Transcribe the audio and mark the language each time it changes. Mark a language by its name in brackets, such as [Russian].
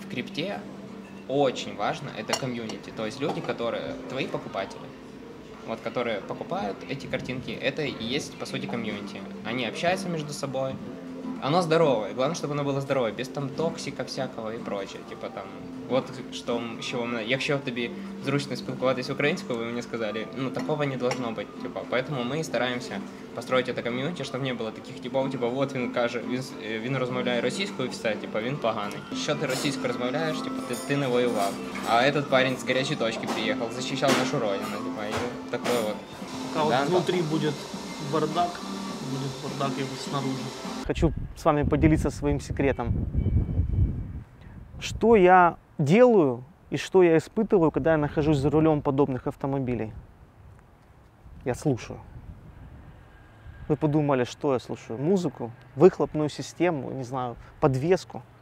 [Russian] В крипте очень важно это комьюнити. То есть люди, которые твои покупатели, вот которые покупают эти картинки, это и есть, по сути, комьюнити. Они общаются между собой. Оно здоровое. Главное, чтобы оно было здоровое, без там токсика всякого и прочее. Типа там, вот что, чего мы... [Ukrainian] Якщо тобі зручно спілкуватись українською, [Russian] вы мне сказали, ну такого не должно быть. Типа, поэтому мы стараемся построить это комьюнити, чтобы не было таких типов, типа вот [Ukrainian] він каже, він розмовляє російською, [Russian] все, типа він поганий. [Ukrainian] Що ти російською розмовляєш, типа ти не воював. [Russian] А этот парень [Ukrainian] з гарячої точки приїхав, [Russian] защищав нашу родину, [Ukrainian] типа, і такое вот. Так, да, внутрі буде бардак, буде бардак і снаружи. [Russian] Хочу с вами поделиться своим секретом. Что я делаю и что я испытываю, когда я нахожусь за рулем подобных автомобилей? Я слушаю. Вы подумали, что я слушаю? Музыку? Выхлопную систему? Не знаю, подвеску?